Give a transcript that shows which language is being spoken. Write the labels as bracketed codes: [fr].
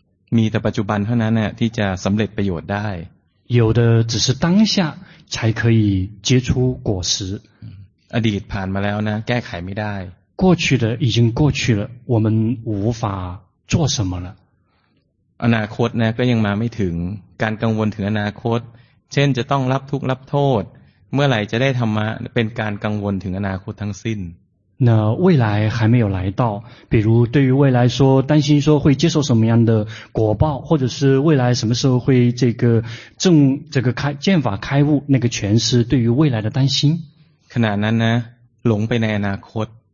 [th] มีแต่ปัจจุบันเท่านั้นที่จะสำเร็จประโยชน์ได้ [zh] 有的只是当下才可以结出果实。 [th] อดีตผ่านมาแล้วนะแก้ไขไม่ได้ [zh] 过去的已经过去了，我们无法做什么了。 [th] อนาคตนะก็ยังมาไม่ถึงการกังวลถึงอนาคตเช่นจะต้องรับทุกข์รับโทษเมื่อไหร่จะได้ธรรมะเป็นการกังวลถึงอนาคตทั้งสิ้น [zh] 那未来还没有来到，比如对于未来说担心说会接受什么样的果报，或者是未来什么时候会这个证这个开见法开悟，那个全是对于未来的担心。 [th] ขณะนั้นนะหลงไปในอนาคต